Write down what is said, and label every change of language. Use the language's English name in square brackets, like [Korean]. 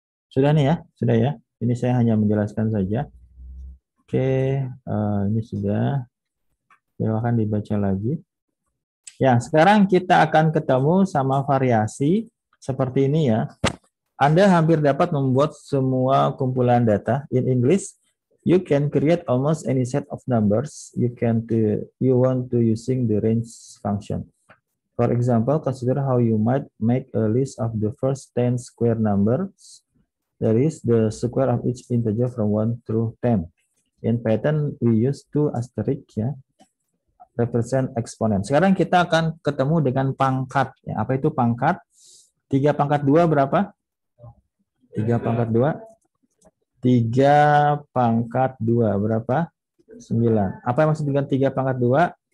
[Indonesian] Sudah nih ya, sudah ya. Ini saya hanya menjelaskan saja. Oke, ini sudah. Silakan dibaca lagi. Ya, sekarang kita akan ketemu sama variasi seperti ini ya. Anda hampir dapat membuat semua kumpulan data. [English] In English, you can create almost any set of numbers you want to using the range function. For example, consider how you might make a list of the first 10 square numbers, that is the square of each integer from 1 through 10. In Python, we use 2 asterisk ya. Represent eksponen. [Indonesian] Sekarang kita akan ketemu dengan pangkat. Ya, apa itu pangkat? 3 pangkat 2 berapa? 3 pangkat 2? 3 pangkat 2 berapa? 9. Apa yang maksud dengan 3 pangkat 2?